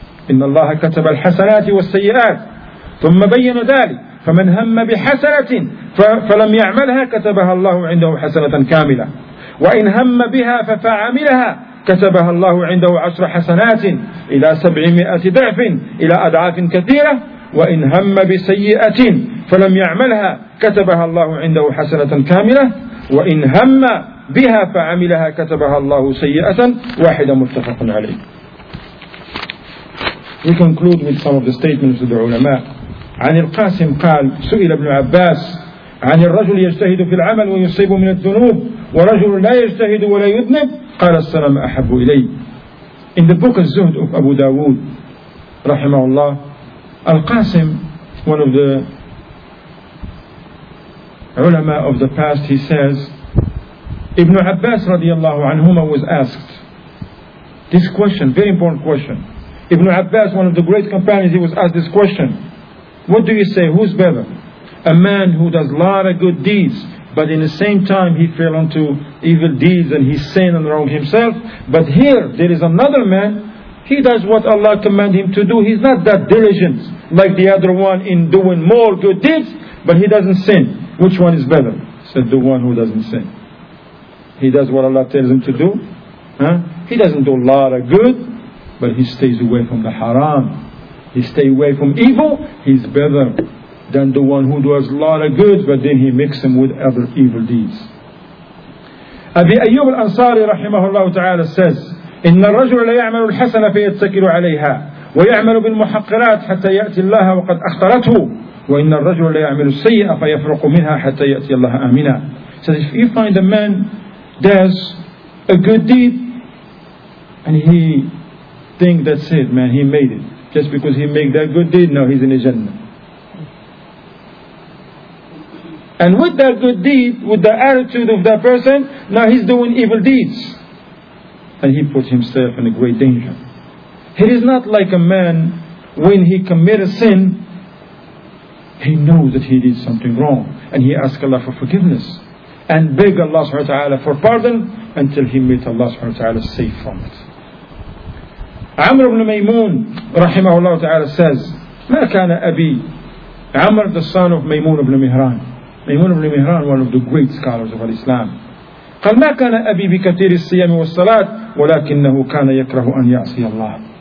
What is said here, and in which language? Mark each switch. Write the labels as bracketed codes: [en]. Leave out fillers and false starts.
[ar] إِنَّ اللَّهَ كَتَبَ الْحَسَنَاتِ وَالسَّيِّئَاتِ ثُمَّ بَيَّنَ ذَلِكَ فَمَنْ هَمَّ بِحَسَنَةٍ فَلَمْ يَعْمَلْهَا كَتَبَهَا اللَّهُ عِنْدَهُ حَسَنَةً كَامِلَةً وَإِنْ هَمَّ بِهَا فَفَعَمِلَهَا كَتَبَهَا اللَّهُ عِنْدَهُ عَشْرَ حَسَنَاتٍ إِلَى 700 ضِعْفٍ إِلَى أَضْعَافٍ كَثِيرَةٍ وإن هم بسيئة فلم يعملها كتبها الله عنده حسنة كاملة وإن هم بها فعملها كتبها الله سيئة واحدة متفق عليه. [en] We conclude with some of the statements of the ulama. [ar] عن القاسم قال سئل ابن عباس عن الرجل يجتهد في العمل ويصيب من الذنوب ورجل لا يجتهد ولا يذنب قال السلام أحب إلي. [en] In the book of Zuhd of Abu Dawood رحمه الله, Al-Qasim, one of the ulama of the past, he says, Ibn Abbas radiallahu anhuma was asked this question, very important question. Ibn Abbas, one of the great companions, he was asked this question. What do you say, who's better? A man who does a lot of good deeds, but in the same time he fell into evil deeds and he sinned and wronged himself. But here, there is another man. He does what Allah commanded him to do. He's not that diligent like the other one in doing more good deeds, but he doesn't sin. Which one is better? Said the one who doesn't sin. He does what Allah tells him to do. Huh? He doesn't do a lot of good, but he stays away from the haram. He stays away from evil. He's better than the one who does a lot of good, but then he mixes him with other evil deeds. [ar] Abi Ayyub al-Ansari rahimahullah ta'ala says, إن الرجل لا يعمل الحسن فيتسكر عليها ويعمل بالمحقرات حتى يأتي الله وقد أخطرته وإن الرجل لا يعمل السيئة فيفرق منها حتى يأتي الله آمنا. [en] So if you find a man does a good deed, and he think that's it, man, he made it. Just because he make that good deed, now he's in the Jannah. And with that good deed, with the attitude of that person, now he's doing evil deeds. And he put himself in a great danger. It is not like a man, when he commit a sin, he knows that he did something wrong, and he asks Allah for forgiveness, and beg Allah subhanahu wa ta'ala for pardon, until he meets Allah subhanahu wa ta'ala safe from it. Amr ibn Maymun, rahimahullah ta'ala, says, [ar] ما كان أبي [en] Amr, the son of Maymun ibn Mihran. Maymun ibn Mihran, one of the great scholars of Islam. [ar] قال ما كان أبي بكثير الصيام والصلاة ولكنه كان يكره أن يعصي الله.